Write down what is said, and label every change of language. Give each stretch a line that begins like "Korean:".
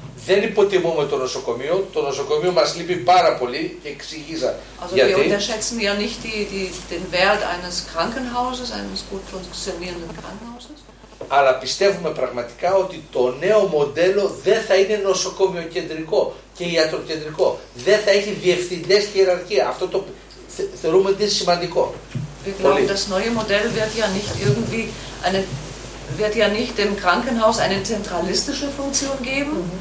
Greek: Δεν υποτιμούμε το νοσοκομείο. Το νοσοκομείο μας λείπει πάρα πολύ και εξηγήσα γιατί.
German: Also wir unterschätzen ja nicht den Wert eines Krankenhauses, eines gut funktionierenden Krankenhauses.
Greek: Αλλά πιστεύουμε πραγματικά ότι το νέο μοντέλο δεν θα είναι νοσοκομειοκεντρικό και ιατροκεντρικό. Δεν θα έχει διευθυντές και ιεραρχία. Αυτό το θεωρούμε ότι είναι σημαντικό. Πολύ.
German: Das neue Modell wird ja nicht irgendwie eine, wird ja nicht dem Krankenhaus eine zentralistische Funktion geben.